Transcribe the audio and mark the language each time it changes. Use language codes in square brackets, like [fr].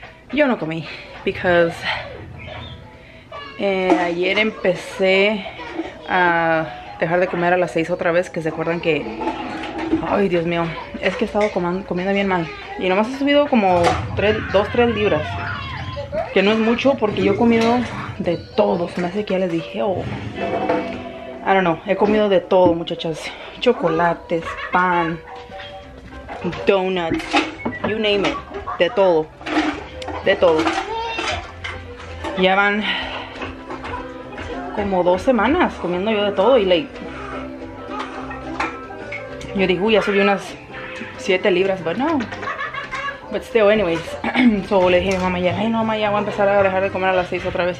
[es] Yo no comí, [en] because... [es] ayer empecé... a dejar de comer a las 6 otra vez, que se acuerdan que Ay, Dios mío. Es que he estado comiendo bien mal. Y nomás he subido como 2-3 libras. Que no es mucho porque yo he comido de todo. Se me hace que ya les dije, oh. [en] I don't know. [es] He comido de todo, muchachas. [en] Chocolates, pan, donuts, you name it. [es] De todo. De todo. Ya van como 2 semanas comiendo yo de todo y [en] late. [es] Yo dije, uy, ya subí unas 7 libras, [en] but no. But still, anyways. [es] So le dije a mi mamá, ya, ay, no, mamá, ya voy a empezar a dejar de comer a las 6 otra vez.